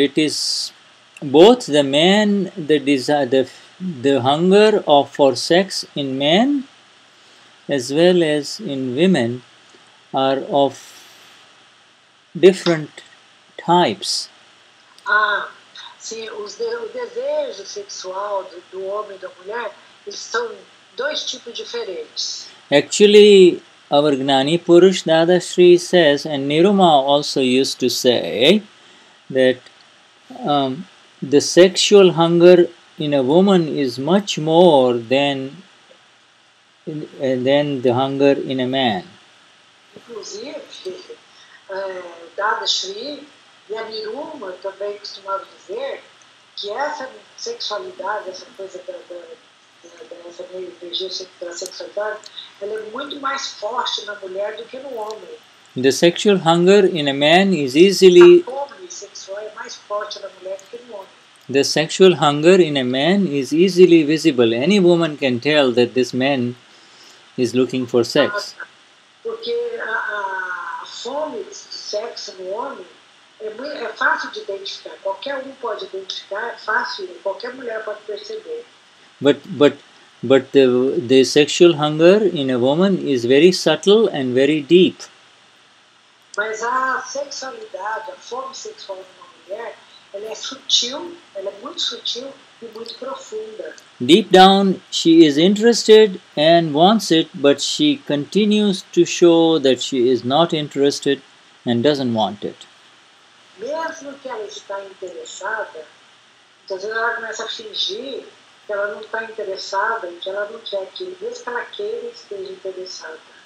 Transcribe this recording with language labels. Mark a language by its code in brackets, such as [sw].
[en] It is both the man, the desire, the hunger of for sex in men, as well as in women, are of different types. [pt] Sim, o desejo sexual do homem e da mulher, eles são dois tipos diferentes. [en] Actually, our Gnani Purush Dadashri says, and Niruma also used to say, that the sexual hunger in a woman is much more than the hunger in a man. [pt] Inclusive, Dadashri e a Niruma também costumavam dizer que essa sexualidade, essa coisa dessa energia da sexualidade, ela é muito mais forte na mulher do que no homem. [en] The sexual hunger in a man is easily... [pt] A fome sexual é mais forte na mulher do que no homem. [en] The sexual hunger in a man is easily visible. Any woman can tell that this man is looking for sex. [pt] Porque a fome de sexo no homem é fácil de identificar. Qualquer um pode identificar, é fácil, qualquer mulher pode perceber. [en] But the sexual hunger in a woman is very subtle and very deep. [pt] Mas a sexualidade, a fome sexual de uma mulher, ela é sutil, ela é muito sutil e muito profunda. [en] Deep down, she is interested and wants it, but she continues to show that she is not interested and doesn't want it. [pt] Mesmo que ela está interessada, às vezes ela começa a fingir que ela não está interessada e que ela não quer aquilo, mesmo que ela queira esteja interessada.